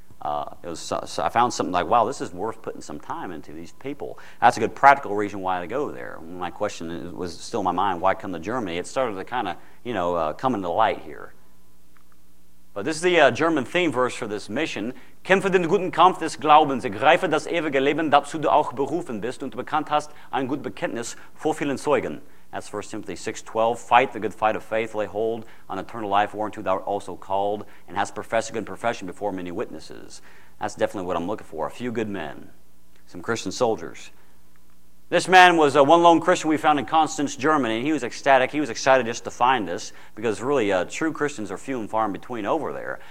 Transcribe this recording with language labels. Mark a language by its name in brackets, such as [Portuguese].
[English] So I found something like, wow, this is worth putting some time into, these people. That's a good practical reason why to go there. My question was still in my mind, why come to Germany? It started to kind of, you know, come into light here. But this is the German theme verse for this mission. [German] Kämpfe den guten Kampf des Glaubens, ergreife das ewige Leben, dazu du auch berufen bist und bekannt hast ein gut Bekenntnis vor vielen Zeugen. [English] That's 1 Timothy 6:12. Fight the good fight of faith, lay hold on eternal life, whereunto thou art also called, and hast professed a good profession before many witnesses. That's definitely what I'm looking for. A few good men, some Christian soldiers. This man was one lone Christian we found in Constance, Germany. He was ecstatic. He was excited just to find us, because really, true Christians are few and far in between over there.